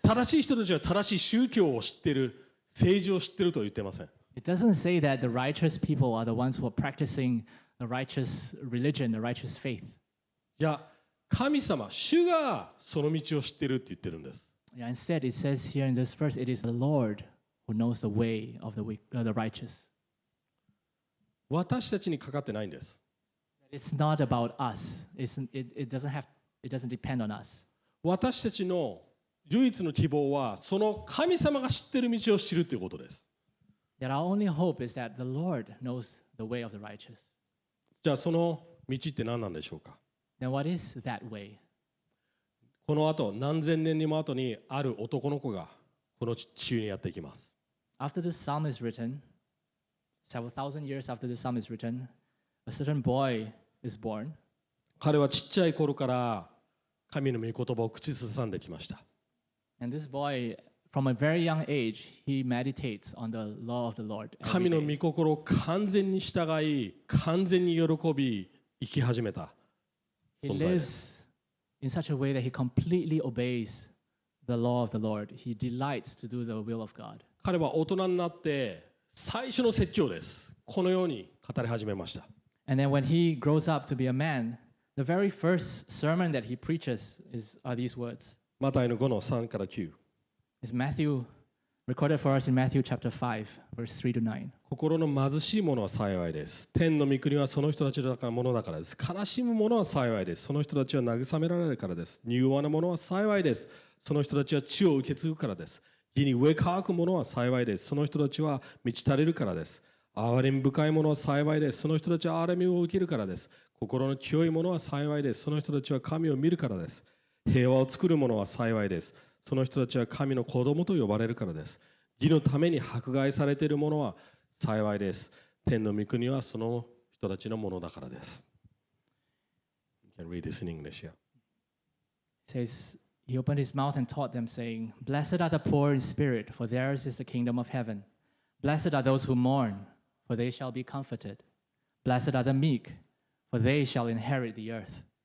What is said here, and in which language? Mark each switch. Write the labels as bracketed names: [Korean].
[Japanese] 正しい人たちは正しい宗教を知ってる、政治を知ってるとは言ってません。 [English] It doesn't say that the righteous people are the ones who are practicing the righteous religion, the righteous faith. [Japanese] いや神様、主がその道を知ってるって言ってるんです。 [English] Yeah, instead, it says here in this verse, it is the Lord who knows the way of the righteous. [Japanese] 私たちにかかってないんです。 [English] It's not about us. It doesn't depend on us. [Japanese] 私たちの唯一の希望は、その神様が知ってる道を知るということです。 [English] Yet our only hope is that the Lord knows the way of the righteous. [Japanese] じゃあその道って何なんでしょうか。 [English] Then what is that way? [Japanese] この後、何千年にも後にある男の子がこの地球にやってきます。 [English] After this psalm is written, several thousand years after this psalm is written, a certain boy is born. [Japanese] 彼はちっちゃい頃から神の御言葉を口ずさんできました。 [English] And this boy, from a very young age, he meditates on the law of the Lord. [Japanese] 神の御心を完全に従い、完全に喜び、生き始めた。 [English] He lives in such a way that he completely obeys the law of the Lord. He delights to do the will of God. [Japanese] 彼は大人になって最初の説教です。このように語り始めました。 [English] And then when he grows up to be a man, the very first sermon that he preaches are these words. [Japanese] マタイの5の3から9。 [English] It's Matthew, recorded for us in Matthew chapter 5, verse 3 to 9. [Japanese] 心の貧しい者は幸いです。天の御国はその人たちのものだからです。悲しむ者は幸いです。その人たちは慰められるからです。柔和な者は幸いです。その人たちは地を受け継ぐからです。義に飢え渇く者は幸いです。その人たちは満ち足れるからです。憐れみ深い者は幸いです。その人たちは憐れみを受けるからです。心の清い者は幸いです。その人たちは神を見るからです。平和を作る者は幸いです。その人たちは神の子供と呼ばれるからです。義のために迫害されているものは幸いです。天の御国はその人たちのものだからです。 [English] You can read this in English, yeah. It says, He opened his mouth and taught them, saying, Blessed are the poor in spirit, for theirs is the kingdom of heaven. Blessed are those who mourn, for they shall be comforted. Blessed are the meek, for they shall inherit the earth.